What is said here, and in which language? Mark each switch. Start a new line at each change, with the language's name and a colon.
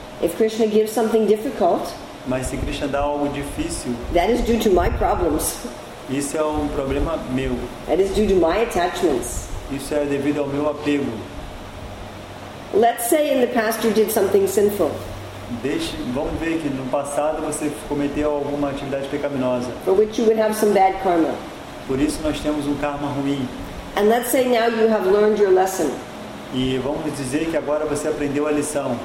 English: if Krishna gives something difficult,
Portuguese: mas se Krishna dá algo difícil,
English: that is due to my problems.
Portuguese: Isso é um problema meu.
English: That is due to my attachments.
Portuguese: Isso é devido ao meu apego.
English: Let's say in the past you did something sinful.
Portuguese: Vamos ver que no passado você cometeu alguma atividade pecaminosa.
English: For which you would have some bad karma.
Portuguese: Por isso nós temos karma ruim.
English: And let's say now you have learned your lesson.
Portuguese: E vamos dizer que agora você aprendeu a lição.